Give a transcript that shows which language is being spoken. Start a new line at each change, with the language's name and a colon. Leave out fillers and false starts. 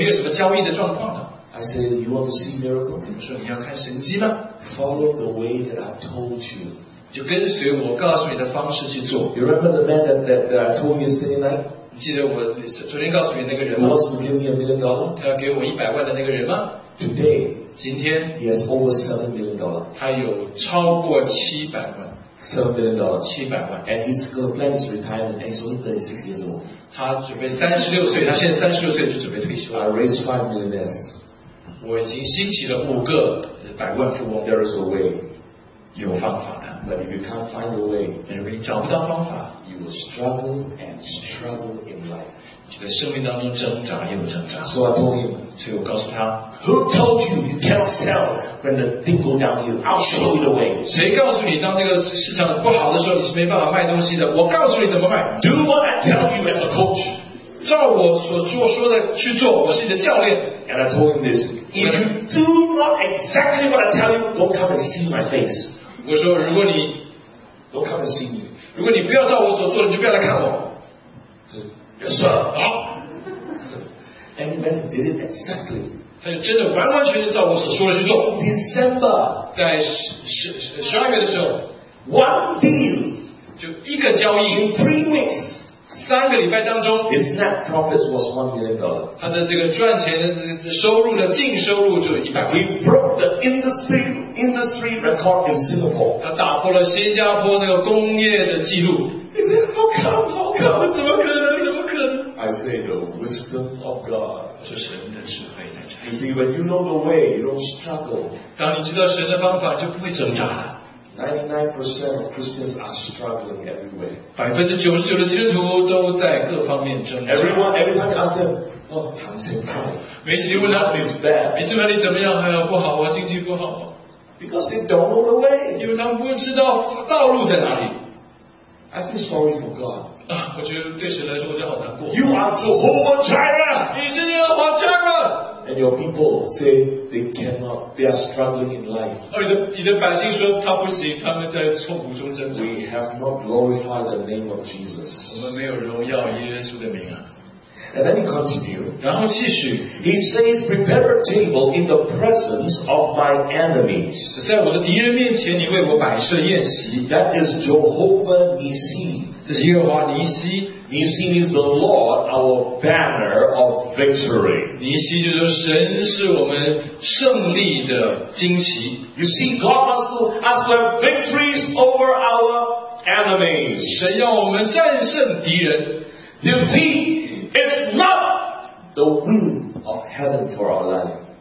Chinese: 这个买卖都好像都已经冻结在那边，没有什么交易的状况了。
English: I said, you want to see miracle?
Chinese: 你们说你要看神迹吗？
English: Follow the way that I've told you.
Chinese: 就跟随我告诉你的方式去做。
English: You remember the man that I told you yesterday night?
Chinese: 你记得我昨天告诉你那个人吗？
English: He wants to give me $1 million.
Chinese: 他要给我100万的那个人吗？
English: Today,
Chinese: 今天,
English: he has over $7 million.
Chinese: 他有超过700万。
English: $7 million.
Chinese: 700万。
English: And he's going to plan his retirement and he's only 36 years old.
Chinese: 他准备36岁, 他现在36岁就准备退休。
English: I raised 5 millionaires.
Chinese: 我已经兴起了5个百万富翁。
English: There is a way.
Chinese: 有方法的。
English: But if you can't find a way,
Chinese: 如果你找不到方法,
English: you will struggle and struggle in life.
Chinese: 就在生命当中挣扎又挣扎。
English: So I told him,
Chinese: 所以我告诉他,
English: who told you you cannot sell when the thing goes down here? I'll show you the way.
Chinese: 谁告诉你当这个市场不好的时候你是没办法卖东西的? 我告诉你怎么卖。
English: Do what I tell you as a coach.
Chinese: 照我所说的去做，我是你的教练。
English: And I told him this, if you do not exactly what I tell you, don't come and see my face.
Chinese: 我说如果你,
English: don't come and see me.
Chinese: 如果你不要照我所做的，你就不要来看我。
English: Yes, sir.
Chinese: 好。
English: And when he did it exactly,
Chinese: 他就真的完完全全照我所说的去做。
English: December,
Chinese: 在12月的时候,
English: one deal,
Chinese: 就一个交易,
English: in 3 weeks,
Chinese: 3个礼拜当中,
English: his net profits was $1 million.
Chinese: 他的这个赚钱的收入呢，净收入就100万。
English: He broke the industry record in Singapore.
Chinese: 他打破了新加坡那个工业的记录。
English: He said, how come? How come?
Chinese: 怎么可能？
English: I say, the wisdom of God.
Chinese: 这神的智慧在这里。
English: You see, when you know the way, you don't struggle.
Chinese: 当你知道神的方法，就不会挣扎。
English: 99% of Christians are struggling everywhere.
Chinese: 99%的基督徒都在各方面挣扎。
English: Every time you ask them, oh,
Chinese: 行情不好。每次你问他,
English: is bad.
Chinese: 每次问你怎么样,不好啊,经济不好。
English: Because they don't know the way.
Chinese: 因为他们不知道道路在哪里。
English: I feel sorry for God.
Chinese: 我觉得对神来说我就好难过。
English: You are Jehovah Jireh.
Chinese: 你是耶和华Jireh.
English: And your people say they cannot, they are struggling in life.
Chinese: 而你的百姓说他不行，他们在痛苦中挣扎。
English: We have not glorified the name of Jesus.
Chinese: 我们没有荣耀耶稣的名啊。
English: And then he continued.
Chinese: 然后继续,
English: he says, prepare a table in the presence of my enemies.
Chinese: 在我的敌人面前你为我摆设宴席,
English: that is Jehovah Nissi.
Chinese: 这是耶和华尼西,
English: Nissi is the Lord, our banner of victory.
Chinese: 尼西就是神是我们胜利的旌旗。
English: You see, God has to have victories over our enemies.
Chinese: 神要我们战胜敌人。
English: You see, it's not the will of heaven for our life.